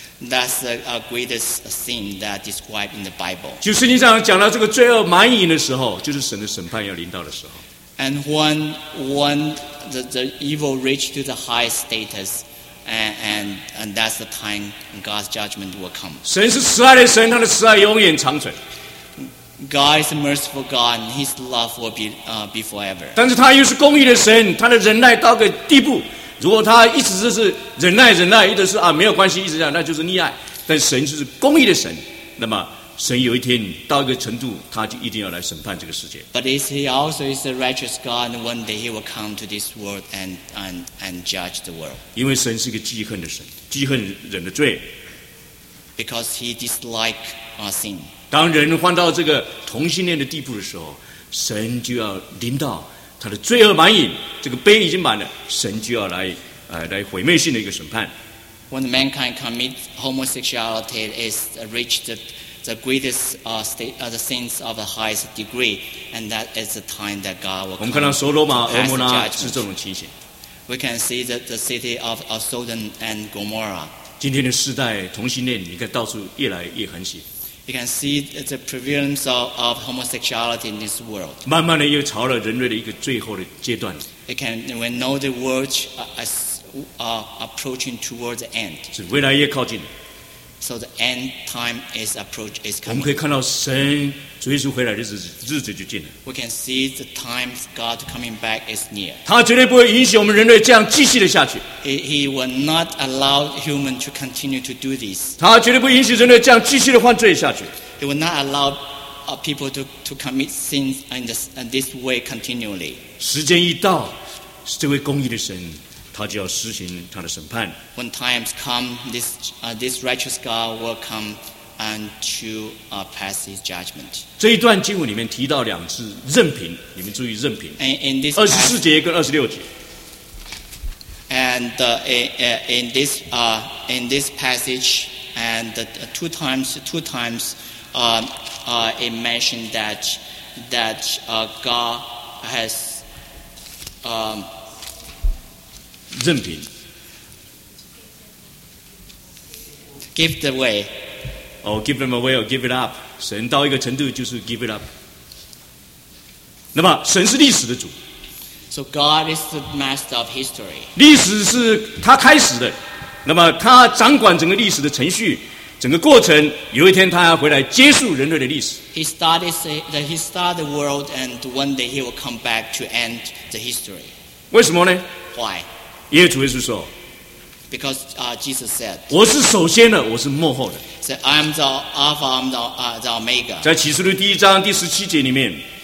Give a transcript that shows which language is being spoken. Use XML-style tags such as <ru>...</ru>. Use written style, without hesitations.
<en>That's the greatest sin that described in the Bible.</en> <zh>就圣经上讲到这个罪恶满盈的时候，就是神的审判要临到的时候。</zh> <en>And when the evil reached to the highest status, and that's the time God's judgment will come.</en> <zh>神是慈爱的神，他的慈爱永远长存。</zh> <en>God is a merciful God, and His love will be forever.</en> <zh>但是他又是公义的神，他的忍耐到个地步，如果他一直就是忍耐忍耐，一直是啊没有关系，一直这样，那就是溺爱。但神就是公义的神，那么。神有一天到一个程度，他就一定要来审判这个世界。</zh> <en>But he also is a righteous God, and one day he will come to this world and judge the world.</en> <zh>因为神是一个记恨的神，记恨人的罪。</zh> <en>Because he dislike our sin.</en> <zh>当人换到这个同性恋的地步的时候，神就要临到他的罪恶满盈，这个杯已经满了，神就要来毁灭性的一个审判。</zh> <en>When mankind commits homosexuality, it's reached the greatest state, the sins of the highest degree, and that is the time that God will come to pass the judgment.</en> <zh>是这种情形。</zh> <en>We can see that the city of Sodom and Gomorrah.</en> <zh>今天的世代同性恋，你看到处越来越横行。</zh> <en>You can see the prevalence of homosexuality in this world.</en> <zh>慢慢的又朝了人类的一个最后的阶段。</zh> <en>We know the world is approaching towards the end.</en> <zh>是越来越靠近。</zh> <en>So the end time is approach is coming.</en> <zh>我们可以看到神主耶稣回来的日子就近了。</zh> <en>We can see the time God coming back is near.</en> <zh>他绝对不会允许我们人类这样继续的下去。</zh> <en>He will not allow human to continue to do this.</en> <zh>他绝对不允许人类这样继续的犯罪下去。</zh> <en>He will not allow people to commit sins in this way continually.</en> <zh>时间一到，这位公义的神。他就要施行他的审判。</zh> <en>When times come, this righteous God will come and to pass his judgment.</en> <zh>这一段经文里面提到两次任凭，你们注意任凭。</zh> <en>In this</en> <zh>二十四节跟二十六节。</zh> <en>And in this passage, and two times, it mentioned that God has</en> <zh>任凭</zh> <en>give the way or give them away or give it up.</en> <zh>神到一个程度就是</zh> <en>give it up.</en> <zh>那么神是历史的主。</zh> <en>So God is the master of history.</en> <zh>历史是他开始的，那么他掌管整个历史的程序，整个过程，有一天他要回来结束人类的历史。</zh> <en>He started the world, and one day he will come back to end the history.</en> <zh>为什么呢？</zh> <en>Why?</en> <zh>因为主耶稣说</zh> <en>，Because Jesus said，</en> <zh>我是首先的，我是末后的。</zh> <en>So I'm the Alpha, I'm the Omega。</en> <zh>在启示录第一章第十七节里面</zh>